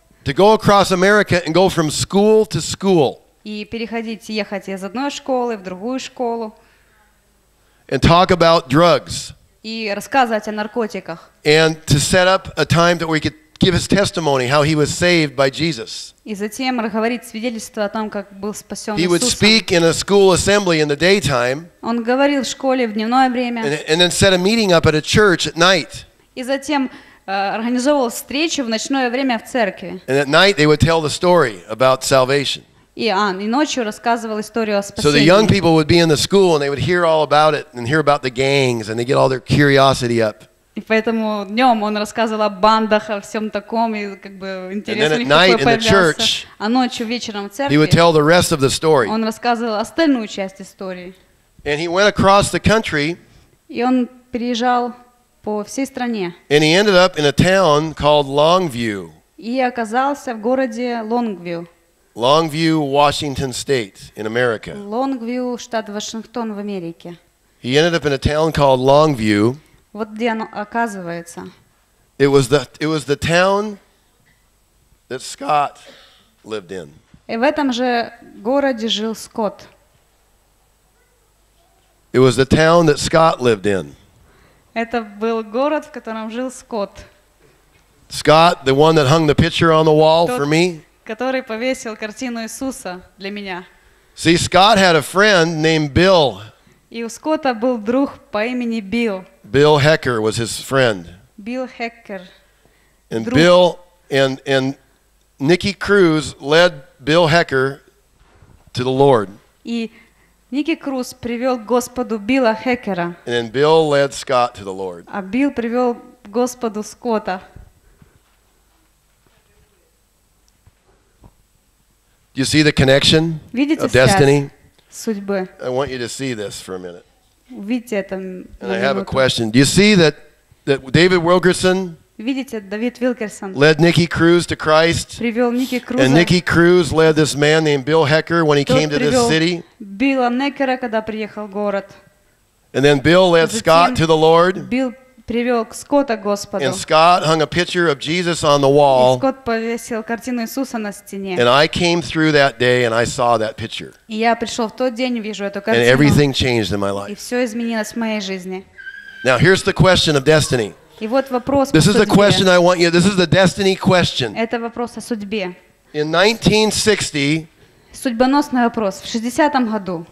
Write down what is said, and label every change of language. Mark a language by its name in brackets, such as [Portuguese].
[English] To go across America and go from school to school. [Russian] И переходить, ехать из одной школы в другую школу. [English] And talk about drugs. [Russian] И рассказывать о наркотиках. [English] And to set up a time that we could give his testimony how he was saved by Jesus. [Russian] И затем говорить свидетельство о том, как был спасен Иисусом. [English] He would speak in a school assembly in the daytime. [Russian] Он говорил в школе в дневное время. [English] And then set a meeting up at a church at night. [Russian] И затем организовывал встречу в ночное время в церкви. [English] And at night they would tell the story about salvation. [Russian] И ночью рассказывал историю о спасении. [English] So the young people would be in the school and they would hear all about it and hear about the gangs and they get all their curiosity up. [Russian] И поэтому днем он рассказывал о бандах, о всем таком, и как бы интерес у них такой появился. А ночью вечером в церкви [English] he would tell the rest of the story. [Russian] Он рассказывал остальную часть истории. [English] And he went across the country. [Russian] И он переезжал по всей стране. [English] And he ended up in a town called Longview. [Russian] И оказался в городе Лонгвью. [English] Longview, Washington State, in America. [Russian] Лонгвью, штат Вашингтон в Америке. [English] He ended up in a town called Longview. [Russian] Вот где оно оказывается. [English] It was the town that Scott lived in. [Russian] И в этом же городе жил Скотт. [English] It was the town that Scott lived in. [Russian] Это был город, в котором жил Скотт. [English] Scott, the one that hung the picture on the wall for me. [Russian] Который повесил картину Иисуса для меня. [English] See, Scott had a friend named Bill. [Russian] И у Скотта был друг по имени Билл. [English] Bill Hecker was his friend. Bill Hecker. And [Russian] друг. [English] Bill and Nikki Cruz led Bill Hecker to the Lord. [Russian] И Nikki Cruz привел к Господу Билла Хекера. [English] And then Bill led Scott to the Lord. [Russian] А Билл привел к Господу Скотта. [English] Do you see the connection [Russian] видите [English] of destiny? [Russian] Судьбы. [English] I want you to see this for a minute. [Russian] Видите это. [English] And I have a question. Do you see that David Wilkerson? [Russian] Видите Давид Вилкерсон? [English] Led Nikki Cruz to Christ. [Russian] Привел Nikki Cruz. [English] And Nikki Cruz led this man named Bill Hecker when he came to this city. [Russian] Билла Некера, когда приехал в город. [English] And then Bill led Scott to the Lord. [Russian] Билл привел к Скотта Господу. [English] And Scott hung a picture of Jesus on the wall. [Russian] И Скотт повесил картину Иисуса на стене. [English] And I came through that day and I saw that picture. [Russian] И я пришел в тот день и вижу эту картину. [English] And everything changed in my life. [Russian] И все изменилось в моей жизни. [English] Now here's the question of destiny. [Russian] И вот вопрос. [English] This is the question I want you. This is the destiny question. [Russian] Это вопрос о судьбе. [English] In 1960. [Russian] Судьбоносный вопрос. В 60-м году.